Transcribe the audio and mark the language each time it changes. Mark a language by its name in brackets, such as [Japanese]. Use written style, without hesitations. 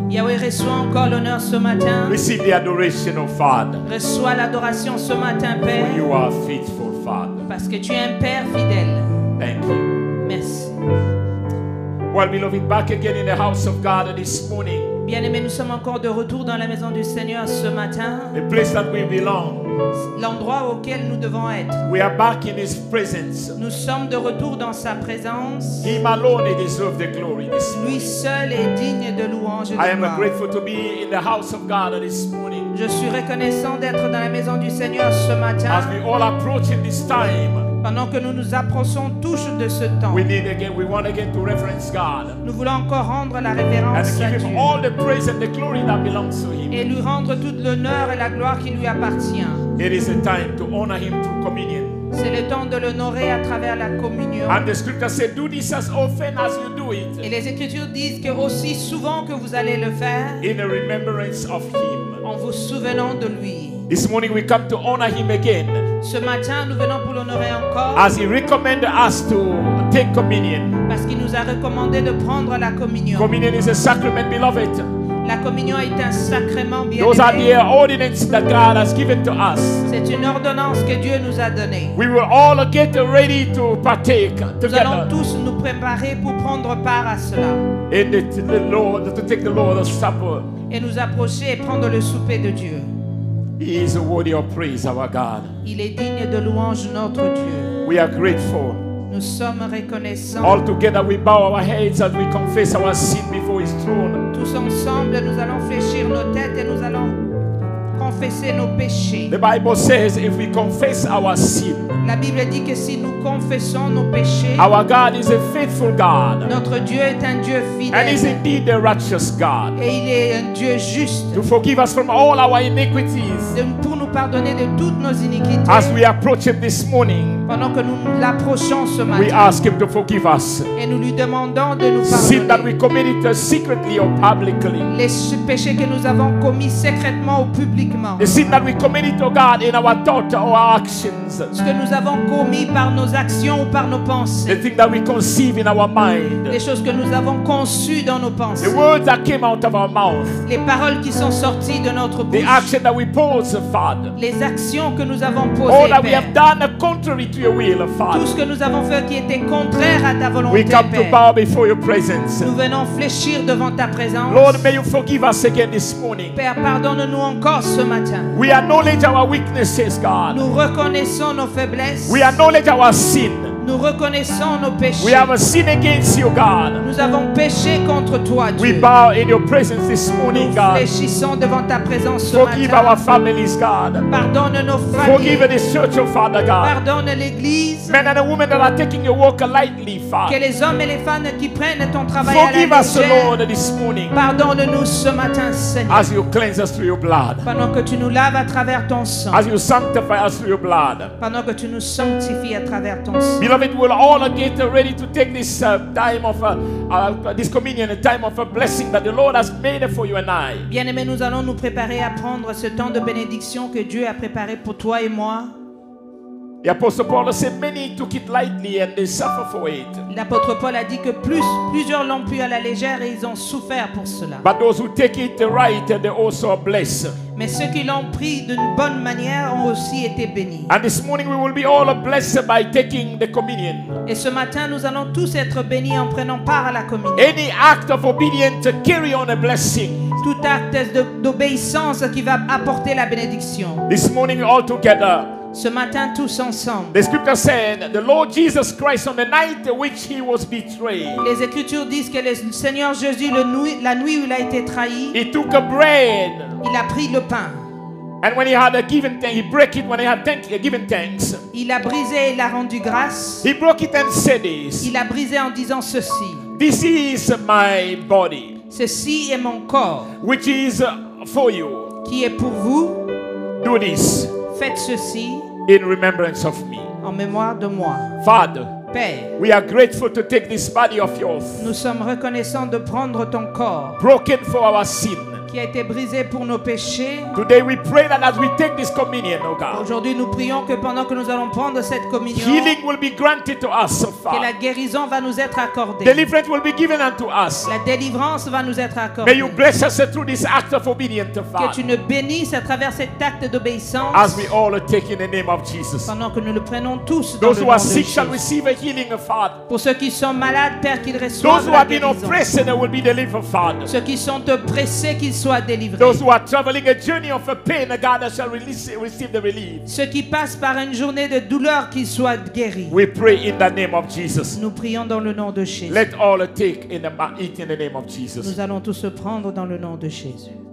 [French] Yahweh reçoit encore l'honneur ce matin. [English] Receive the adoration, oh Father. [French] Reçois l'adoration ce matin, Père. [English] You are faithful, Father. [French] Parce que tu es un Père fidèle. [English] Thank you. [French] Merci. [English] Well, beloved, back again in the house of God this morning. [French] Bien-aimés, nous sommes encore de retour dans la maison du Seigneur ce matin. [English] The place that we belong. [French] L'endroit auquel nous devons être. [English] We are back in His presence. [French] Nous sommes de retour dans sa présence. [English] Him alone deserves the glory this morning. [French] Lui seul est digne de louange. [English] I am grateful to be in the house of God this morning. [French] Je suis reconnaissant d'être dans la maison du Seigneur ce matin. [English] As we all approach in this time. [French] Pendant que nous nous approchons tous de ce temps, [English] we need again, we want again to reverence God. [French] Nous voulons encore rendre la révérence [English] and give [French] à [English] him [French] Dieu [English] all the praise and the glory that belongs to him. [French] Et lui rendre toute l'honneur et la gloire qui lui appartient. [English] It is a time to honor him through communion. [French] C'est le temps de l'honorer à travers la communion. [English] And the scripture says, do this as often as you do it. [French] Et les Écritures disent que aussi souvent que vous allez le faire, [English] in a remembrance of him. [French] En vous souvenant de lui. [English] This morning we come to honor him again. [French] Ce matin, nous venons pour l'honorer encore. [English] As he recommended us to take communion. [French] Parce qu'il nous a recommandé de prendre la communion. [English] Communion is a sacrament, beloved. [French] La communion est un sacrement bien. [English] Those are the ordinances that God has given to us. [French] C'est une ordonnance que Dieu nous a donnée. [English] We will all get ready to partake together. [French] Nous allons tous nous préparer pour prendre part à cela. [English] And the Lord, to take the Lord's supper. [French] Et nous approcher et prendre le souper de Dieu. [English] He is worthy of praise, our God. [French] Il est digne de louange, notre Dieu. [English] We are grateful. [French] Nous sommes reconnaissants. [English] All together we bow our heads and we confess our sin before His throne. [French] Tous ensemble, nous allons fléchir nos têtes et nous allons confesser nos péchés. [English] The Bible says if we confess our sin. [French] La Bible dit que si nous confessons nos péchés. [English] Our God is a faithful God. [French] Notre Dieu est un Dieu fidèle. [English] And is indeed the righteous God. [French] Et il est un Dieu juste. [English] To forgive us from all our iniquities. [French] Pour nous pardonner de toutes nos iniquités. [English] As we approach him this morning. [French] Pendant que nous l'approchons ce matin. [English] We ask him to forgive us. [French] Et nous lui demandons de nous pardonner. [English] Sin that we committed secretly or publicly. [French] Les péchés que nous avons commis secrètement ou publiquement. [English] The sin that we committed, oh God, in our thoughts or our actions. [French] Ce que nous avons commis par nos actions ou par nos pensées. [English] The thing that we conceive in our mind. [French] Les choses que nous avons conçues dans nos pensées. [English] The words that came out of our mouth. [French] Les paroles qui sont sorties de notre bouche. [English] The action that we pose, Father. [French] Les actions que nous avons posées. [English] All that we have done contrary to your will, Father. [French] Tout ce que nous avons fait qui était contraire à ta volonté, [English] we come [French] Père. [English] To bow before your presence. [French] Nous venons fléchir devant ta présence. [English] Lord, may you forgive us again this morning. [French] Père, pardonne-nous encore ce matin. [English] We acknowledge our weaknesses, God. [French] Nous reconnaissons nos faiblesses. [English] We acknowledge our sin. [French] Nous reconnaissons nos péchés. [English] We have sinned against you, God. [French] Nous avons péché contre toi, Dieu. [English] We bow in your presence this morning, God. [French] Nous fléchissons devant ta présence ce matin. [English] Forgive our families, God. [French] Pardonne nos familles. [English] Forgive the church, oh Father God. [French] Pardonne l'église. [English] Men and women that are taking your work lightly, Father. [French] Que les hommes et les femmes qui prennent ton travail [English] forgive [French] à la légère. [English] Forgive us, Lord, this morning. [French] Pardonne-nous ce matin, Seigneur. [English] As you cleanse us through your blood. [French] Pendant que tu nous laves à travers ton sang. [English] As you sanctify us through your blood. [French] Pendant que tu nous sanctifies à travers ton sang. [English] Beloved, we'll all get ready to take this time of this communion, a time of a blessing that the Lord has made for you and I. [French] Bien-aimés, nous allons nous préparer à prendre ce temps de bénédiction que Dieu a préparé pour toi et moi. [English] The Apostle Paul said many took it lightly and they suffered for it. [French] L'apôtre Paul a dit que plusieurs l'ont pris à la légère et ils ont souffert pour cela. [English] But those who take it right, they also are blessed. [French] Mais ceux qui l'ont pris d'une bonne manière ont aussi été bénis. [English] And this morning we will be all blessed by taking the communion. [French] Et ce matin nous allons tous être bénis en prenant part à la communion. [English] Any act of obedience carry on a blessing. [French] Tout acte d'obéissance qui va apporter la bénédiction. [English] This morning all together. [French] Ce matin tous ensemble. [English] The scripture said the Lord Jesus Christ on the night which he was betrayed. [French] Les écritures disent que le Seigneur Jésus la nuit où il a été trahi. [English] He took a bread. [French] Il a pris le pain. [English] And when he had given thanks, he broke it when he had given thanks. [French] Il a brisé et l'a rendu grâce. [English] He broke it and said this. [French] Il a brisé en disant ceci. [English] This is my body. [French] Ceci est mon corps. [English] Which is for you. [French] Qui est pour vous. [English] Do this. [French] Faites ceci [English] in remembrance of me. [French] En mémoire de moi. [English] Father, [French] Père, [English] we are grateful to take this body of yours. [French] Nous sommes reconnaissants de prendre ton corps. [English] Broken for our sin. [French] Qui a été brisé pour nos péchés. [English] Today we pray that as we take this communion, oh God. [French] Aujourd'hui nous prions que pendant que nous allons prendre cette communion, [English] healing will be granted to us, oh Father. [French] Que la guérison va nous être accordée. [English] Deliverance will be given unto us. [French] La délivrance va nous être accordée. [English] May you bless us through this act of obedience, Father. [French] Que tu nous bénisses à travers cet acte d'obéissance. [English] As we all take in the name of Jesus. [French] Pendant que nous le prenons tous dans [English] those [French] le [English] who [French] nom [English] are sick [French] de [English] shall receive a healing, Father. [French] Pour ceux qui sont malades, Père, qu'ils reçoivent [English] those [French] la guérison. [English] Those who have been oppressed will be delivered, Father. [French] Ceux qui sont oppressés, qu'ils soit délivré. [English] Those who are traveling a journey of a pain, God shall receive the relief. [French] Ceux qui passent par une journée de douleur, qu'ils soient guéris. [English] We pray in the name of Jesus. [French] Nous prions dans le nom de Jésus. [English] Let all take in eat in the name of Jesus. [French] Nous allons tous se prendre dans le nom de Jésus.